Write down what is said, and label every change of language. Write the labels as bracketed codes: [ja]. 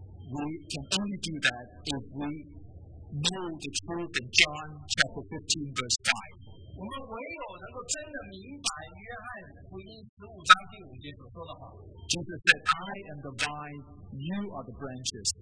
[en] We can only do that if we know the truth in John chapter 15 verse 5. [zh] 我们唯有能够真的明白约翰福音15章第5节所说的话。Jesus [en] said, I am the vine, you are the branches.